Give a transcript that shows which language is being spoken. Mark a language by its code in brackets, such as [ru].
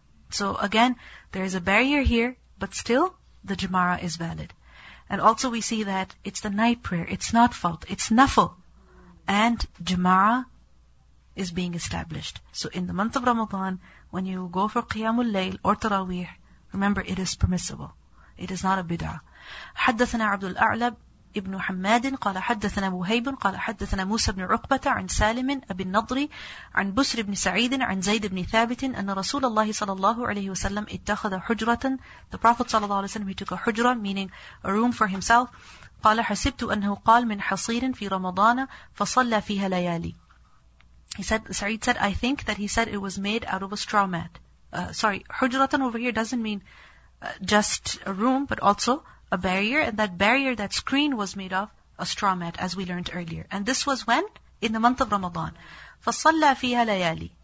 [en] So again, there is a barrier here, but still the jama'ah is valid. And also we see that it's the night prayer. It's not fard. It's nafl. And jama'ah is being established. So in the month of Ramadan, when you go for Qiyamul Layl or Taraweeh, remember it is permissible. It is not a bid'ah. [ar] حدثنا عبد الأعلى ابن حماد قال حدثنا وهيب قال حدثنا موسى بن عقبة عن سالم أبي النضر عن بسر بن سعيد عن زيد بن ثابت أن رسول الله صلى الله عليه وسلم اتخذ حجرة. [en] The Prophet صلى الله عليه وسلم, he took a حجرة, meaning a room for himself. [ar] قال حسبت أنه قال من حصير في رمضان فصلى فيها ليالي. [en] He said, Sa'id said, I think that he said it was made out of a straw mat. Sorry, حجرةً over here doesn't mean just a room, but also a barrier. And that barrier, that screen was made of a straw mat, as we learned earlier. And this was when? In the month of Ramadan. [ar] فصلى فيها ليالي.